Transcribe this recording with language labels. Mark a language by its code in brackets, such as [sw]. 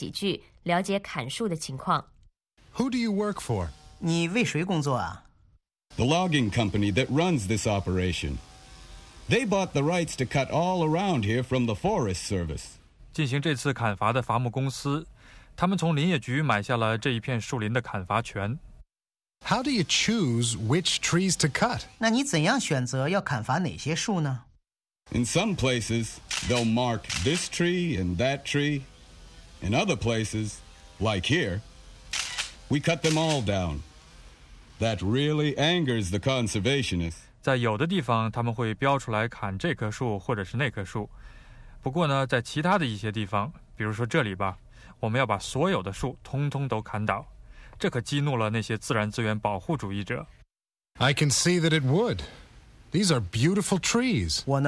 [zh] 接下来我们来听课文的第四段。Richard虽然说马上就走，但是他还跟伐木工多聊了几句，了解砍树的情况。 [en] Who do you work for? [zh] 你为谁工作啊？ [en] The logging company that runs this operation. They bought the rights to cut all around here from the Forest Service. [zh] 进行这次砍伐的伐木公司，他们从林业局买下了这一片树林的砍伐权。 [en] How do you choose which trees to cut? 那你怎样选择要砍伐哪些树呢？ In some places, they'll mark this tree and that tree. In other places, like here, we cut them all down. That really angers the conservationists. [zh] 在有的地方，他们会标出来砍这棵树或者是那棵树。不过呢，在其他的一些地方，比如说这里吧，我们要把所有的树通通都砍倒。这可激怒了那些自然资源保护主义者。 [en] I can see that it would. These are beautiful trees.